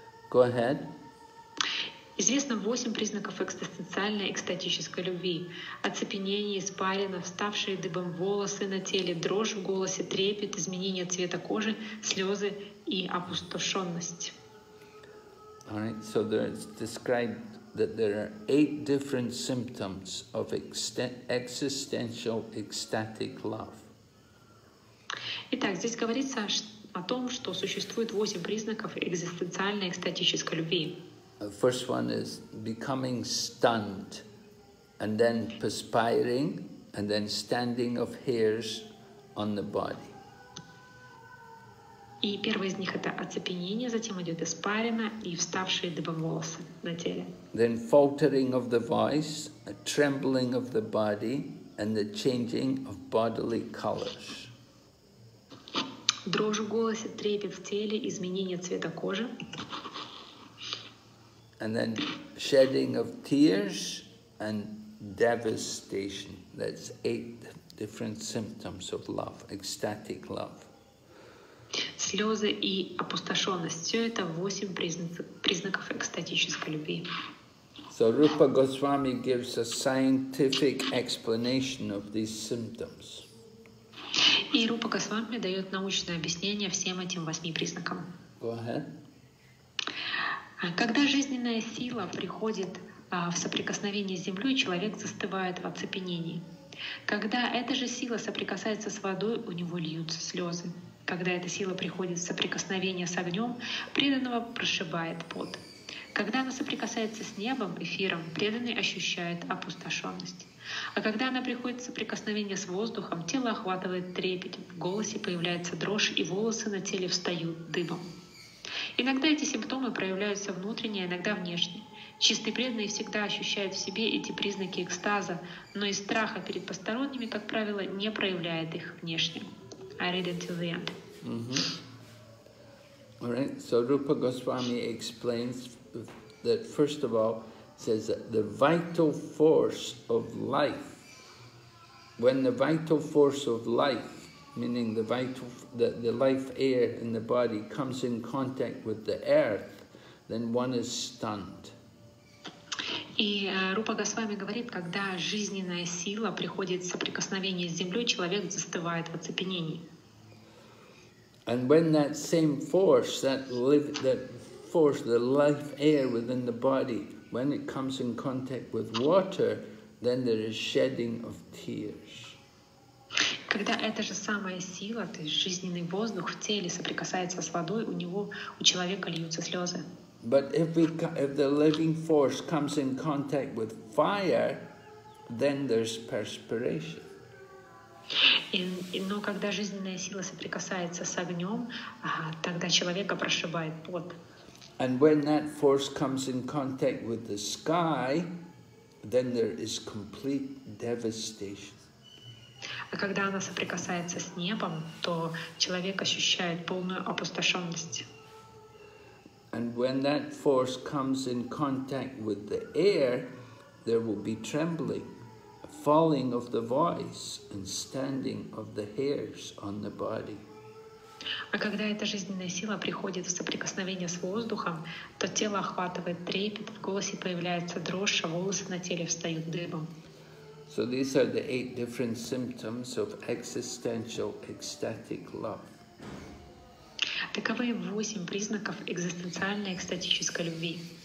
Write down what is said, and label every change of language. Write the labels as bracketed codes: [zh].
[en] Go ahead. [ru] Известно 8 признаков экстасенциальной экстатической любви. Оцепенение, испарина, вставшие дыбом волосы на теле, дрожь в голосе, трепет, изменение цвета кожи, слезы и опустошенность. [en] All right, so there's described that there are 8 different symptoms of existential ecstatic love. [ru] Итак, здесь говорится о том, что существует 8 признаков экзистенциальной экстатической любви. [en] First one is becoming stunned, and then perspiring, and then standing of hairs on the body. [ru] И первое из них это оцепенение, затем идет испарина и вставшие дыбом волосы на теле. [en] Then faltering of the voice, a trembling of the body, and the changing of bodily colors. [ru] Дрожь в голосе, трепет в теле, изменение цвета кожи. [en] And then shedding of tears and devastation. That's 8 different symptoms of love, ecstatic love. [ru] Слезы и опустошенность. Все это 8 признаков экстатической любви. [en] So Rupa Goswami gives a scientific explanation of these symptoms. [ru] И Рупа Госвами дает научное объяснение всем этим 8 признакам. [en] Go ahead. [ru] Когда жизненная сила приходит в соприкосновение с землей, человек застывает в оцепенении. Когда эта же сила соприкасается с водой, у него льются слезы. Когда эта сила приходит в соприкосновение с огнем, преданного прошибает пот. Когда она соприкасается с небом, эфиром, преданный ощущает опустошенность. А когда она приходит в соприкосновение с воздухом, тело охватывает трепет, в голосе появляется дрожь, и волосы на теле встают дыбом. Иногда эти симптомы проявляются внутренне, иногда внешне. Чистый преданный всегда ощущает в себе эти признаки экстаза, но из страха перед посторонними, как правило, не проявляет их внешне. [en] I read it till the end. Mm-hmm. All right. So Rupa Goswami explains that first of all, says that the vital force of life, when the vital force of life, meaning the vital, the life air in the body comes in contact with the earth, then one is stunned. [ru] И Рупа Госвами говорит, когда жизненная сила приходит в соприкосновение с землей, человек застывает в оцепенении. [en] And when that same force, that force, the life air within the body, when it comes in contact with water, then there is shedding of tears. [ru] Когда эта же самая сила, то есть жизненный воздух в теле соприкасается с водой, у него, у человека льются слезы. [en] But if the living force comes in contact with fire, then there's perspiration. [ru] Но когда жизненная сила соприкасается с огнем, тогда человека прошибает пот. [en] And when that force comes in contact with the sky, then there is complete devastation. [ru] А когда она соприкасается с небом, то человек ощущает полную опустошенность. [en] And when that force comes in contact with the air, there will be trembling, falling of the voice, and standing of the hairs on the body. [ru] А когда эта жизненная сила приходит в соприкосновение с воздухом, то тело охватывает трепет, в голосе появляется дрожь, а волосы на теле встают дыбом. [en] So these are the eight different symptoms of existential ecstatic love. [ru] Таковы восемь признаков экзистенциальной экстатической любви.